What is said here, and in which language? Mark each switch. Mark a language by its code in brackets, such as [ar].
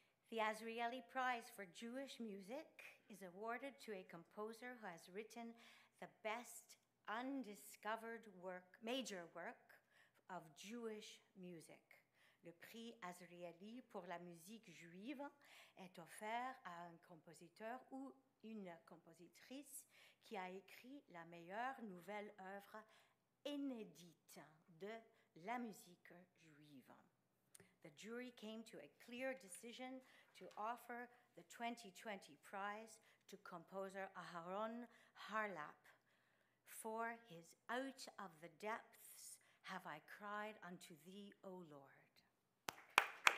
[en] The Azrieli Prize for Jewish Music is awarded to a composer who has written the best undiscovered work, major work, of Jewish music. [fr] Le prix Azrieli pour la musique juive est offert à un compositeur ou une compositrice qui a écrit la meilleure nouvelle œuvre inédite de la musique juive. [en] The jury came to a clear decision to offer the 2020 prize to composer Aharon Harlap for his Out of the Depth Have I Cried Unto Thee, O Lord.